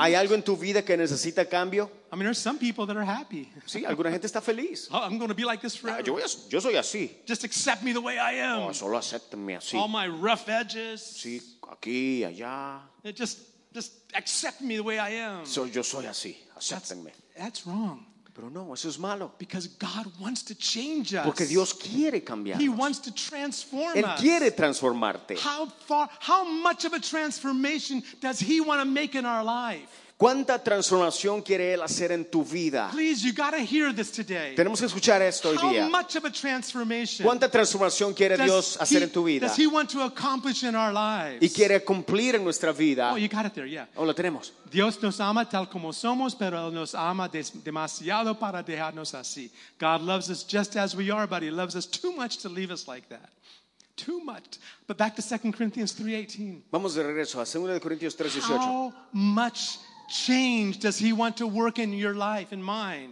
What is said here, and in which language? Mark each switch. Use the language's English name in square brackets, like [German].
[Spanish] ¿Hay algo en tu vida que necesita cambio? [English] I mean, there's some people that are happy. [Spanish] Sí, alguna gente está feliz. [English] Oh, I'm going to be like this forever. [Spanish] Yo soy así. [English] Just accept me the way I am. [Spanish] Oh, solo acéptame así. [English] All my rough edges. [Spanish] Sí, aquí, allá. [English] Just accept me the way I am. [Spanish] So yo soy así. Acéptenme. [English] That's wrong. [Spanish] Pero no, eso es malo. [English] Because God wants to change us. [Spanish] Porque Dios quiere cambiarnos. [English] He wants to transform [Spanish] Él [English] us. [Spanish] Él quiere transformarte. [English] How much of a transformation does he want to make in our life? [Spanish] ¿Cuánta transformación quiere Él hacer en tu vida? [English] Please, you gotta hear this today. [Spanish] Tenemos que escuchar esto hoy día. [English] How much of a transformation [Spanish] ¿Cuánta transformación quiere Dios hacer en tu vida? [English] Does he want to accomplish in our lives? [Spanish] ¿Y quiere cumplir en nuestra vida? [English] Oh, you got it there, yeah. [Spanish] Oh, lo tenemos. Dios nos ama tal como somos, pero Él nos ama demasiado para dejarnos así. [English] God loves us just as we are, but He loves us too much to leave us like that. Too much. But back to 2 Corinthians 3:18. [Spanish] Vamos de regreso a 2 Corintios 3:18. [English] How much change does he want to work in your life and mine?